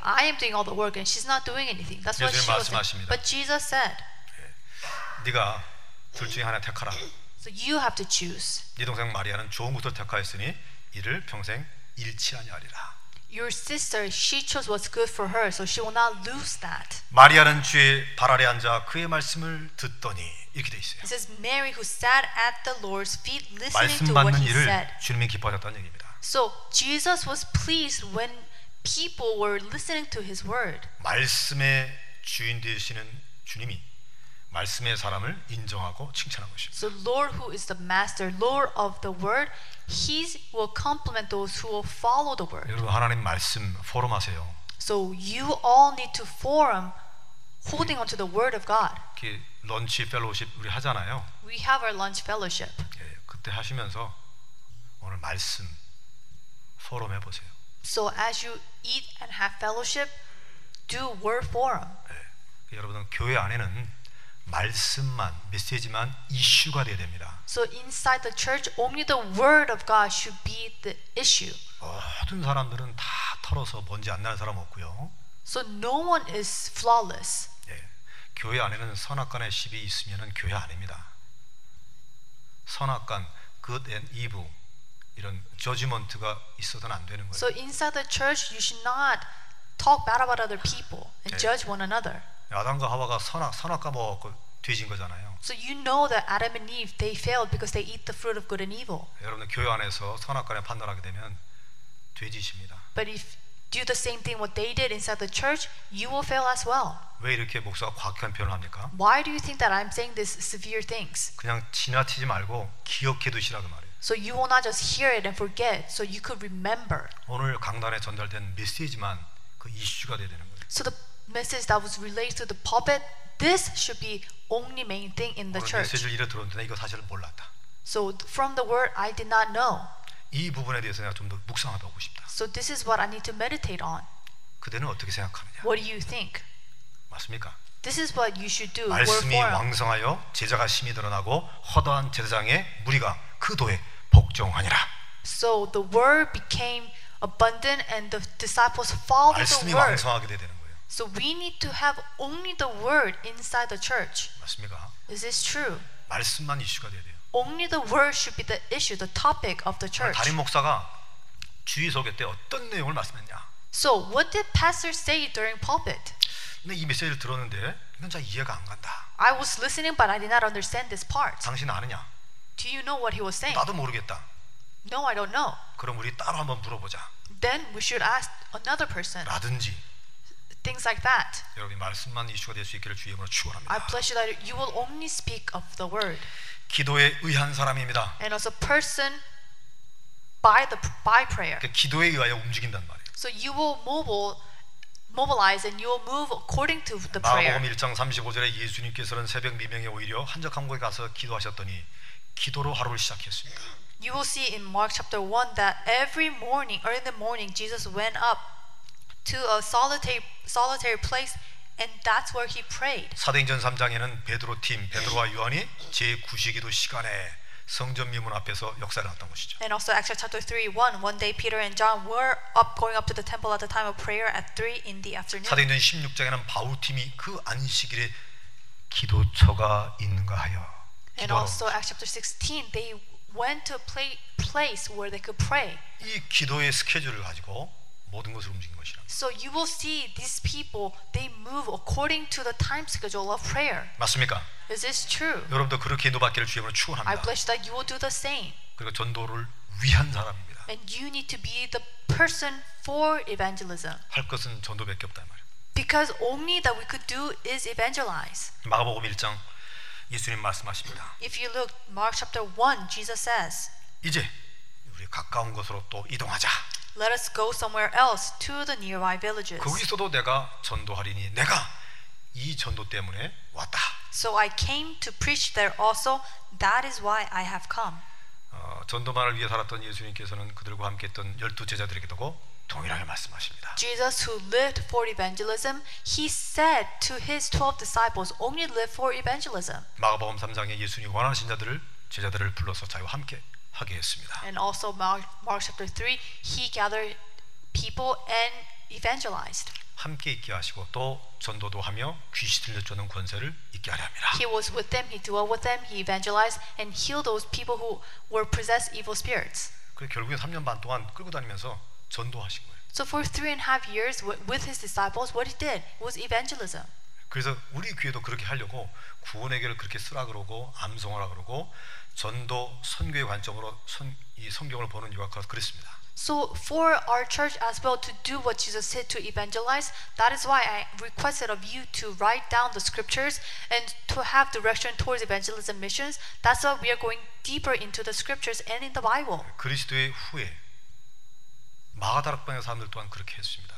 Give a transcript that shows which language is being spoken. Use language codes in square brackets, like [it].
[en] I am doing all the work and she's not doing anything. That's what she was saying. But Jesus said, [ko] 네가 둘 중에 하나 택하라. [en] So you have to choose. [ko] 네 동생 마리아는 좋은 것을 택하였으니 이를 평생 잃지 아니하리라. [en] Your sister, she chose what's good for her, so she will not lose that. [ko] 마리아는 주의 발 아래 앉아 그의 말씀을 듣더니 이렇게 돼 있어요. [en] It says Mary who sat at the Lord's feet listening to what he said. [ko] 말씀 받는 일을 주님이 기뻐하셨다는 얘기입니다. [en] So Jesus was pleased when people were listening to his word. [ko] 말씀의 주인 되시는 주님이 말씀의 사람을 인정하고 칭찬한 것입니다. [en] So Lord who is the master, Lord of the word, he will compliment those who will follow the word. [ko] 여러분 하나님 말씀 포럼하세요. [en] So you all need to forum holding onto the word of God. [ko] 그 런치 펠로우십 우리 하잖아요. [en] We have our lunch fellowship. [ko] 예, 그때 하시면서 오늘 말씀 포럼 해 보세요. [en] So as you eat and have fellowship, do word forum. [ko] 예, 여러분은 교회 안에는 말씀만 메시지만 이슈가 되어야 됩니다. [en] So inside the church, only the word of God should be the issue. [ko] 모든 사람들은 다 털어서 먼지 안 나는 사람 없고요. [en] So no one is flawless. [ko] 예, 교회 안에는 선악관의 십이 있으면은 교회 아닙니다. 선악관, [en] good and evil [ko] 이런 judgment가 있어서는 안 되는 거예요. [en] So inside the church, you should not talk bad about other people and judge one another. [ko] 아담과 하와가 선악과 먹었고 뒤진 거잖아요. [en] So you know that Adam and Eve they failed because they eat the fruit of good and evil. [ko] 여러분 교회 안에서 선악관에 판단하게 되면 뒤지십니다. [en] But if do the same thing what they did inside the church, you will fail as well. [ko] 왜 이렇게 목사가 과격한 표현을 합니까? [en] Why do you think that I'm saying this severe things? [ko] 그냥 지나치지 말고 기억해 두시라 그 말이에요. [en] So you will not just hear it and forget, so you could remember. [ko] 오늘 강단에 전달된 메시지만 그 이슈가 돼야 되는 거예요. [en] So the message that was relayed to the pulpit, this should be only main thing in the church. [ko] 메시지를 이래 들었는데 이거 사실 몰랐다. [en] So from the word, I did not know. [ko] 이 부분에 대해서 내가 좀 더 묵상하고 싶다. [en] So this is what I need to meditate on. [ko] 그대는 어떻게 생각하느냐? [en] What do you think? [ko] 맞습니까? [en] This is what you should do. [ko] 말씀이 왕성하여 제자가 심히 드러나고 허다한 제사장의 무리가 그 도에 복종하니라. [en] So the word became abundant and the disciples followed the word. [ko] 말씀이 왕성하게 돼야 되는 거예요. [en] So we need to have only the word inside the church. [ko] 맞습니까? [en] Is this true? [ko] 말씀만 이슈가 돼야 돼요. [en] Only the word should be the issue, the topic of the church. [ko] 다른 목사가 주의소개 때 어떤 내용을 말씀했냐? [en] So what did pastor say during pulpit? [ko] 근데 이 메시지를 들었는데 이건 잘 이해가 안 간다. [en] I was listening, but I did not understand this part. [ko] 당신 아느냐? [en] Do you know what he was saying? [ko] 나도 모르겠다. [en] No, I don't know. [ko] 그럼 우리 따로 한번 물어보자. [en] Then we should ask another person. [ko] 라든지. [en] Things like that. [ko] 여러분 말씀만 이슈가 될 수 있기를 주의 이름으로 축원합니다. [en] I bless you that you will only speak of the word. [ko] 기도에 의한 사람입니다. [en] And also person by prayer. [ko] 그러니까 기도에 의하여 움직인단 말이에요. [en] So you will mobilize and you will move according to the prayer. [ko] 마가복음 1장 35절에 예수님께서는 새벽 미명에 오히려 한적한 곳에 가서 기도하셨더니 기도로 하루를 시작했습니다. [en] You will see in Mark chapter 1 that every morning or in the morning Jesus went up to a solitary place. And that's where he prayed. [ko] 사도행전 3장에는 베드로 팀, 베드로와 요한이 제9시기도 시간에 성전 미문 앞에서 역사를 했던 것이죠. [en] And also Acts chapter 3:1, one day Peter and John were up going up to the temple at the time of prayer at 3 in the afternoon. [ko] 사도행전 16장에는 바울 팀이 그 안식일에 기도처가 있는가 하여. [en] And also Acts chapter 16, they went to a place where they could pray. [ko] 이 기도의 스케줄을 가지고 모든 것을 움직인 것이라. [en] So you will see these people, they move according to the time schedule of prayer. [ko] 맞습니까? [en] Is this true? [ko] 여러분도 그렇게 기도받기를 주님으로 축원합니다. [en] I bless that you will do the same. [ko] 그리고 전도를 위한 사람입니다. [en] And you need to be the person for evangelism. [ko] 할 것은 전도밖에 없다 말이야. [en] Because only that we could do is evangelize. [ko] 마가복음 1장 예수님 말씀하십니다. [en] If you look Mark chapter 1, Jesus says, [ko] 이제 우리 가까운 곳으로 또 이동하자. [en] Let us go somewhere else to the nearby villages. [ko] 거기서도 내가 전도하리니 내가 이 전도 때문에 왔다. [en] So I came to preach there also. That is why I have come. [ko] 전도만을 위해 살았던 예수님께서는 그들과 함께 했던 열두 제자들에게도 동일하게 말씀하십니다. [en] Jesus who lived for evangelism, he said to his 12 disciples, only live for evangelism. [ko] 마가복음 3장에 예수님이 원하신 자들을 제자들을 불러서 자유와 함께 하게 했습니다. [en] And also Mark chapter 3, he gathered people and evangelized. [ko] 함께 있게 하시고 또 전도도 하며 귀신 들려주는 권세를 있게 하려 합니다. [en] He was with them, he dwelt with them, he evangelized and healed those people who were possessed evil spirits. [ko] 그리고 결국에 3년 반 동안 끌고 다니면서 전도하신 거예요. [en] So for 3.5 years with his disciples, what he did was evangelism. [ko] 그래서 우리 교회도 그렇게 하려고 구원의 길을 그렇게 쓰라 그러고 암송하라 그러고 전도 선교의 관점으로 이 성경을 보는 이유가 그렇습니다. [en] So for our church as well to do what Jesus said to evangelize, that is why I requested of you to write down the scriptures and to have direction towards evangelism missions. That's why we are going deeper into the scriptures and in the Bible. [ko] 그리스도의 후에 마가다락방의 사람들 또한 그렇게 했습니다.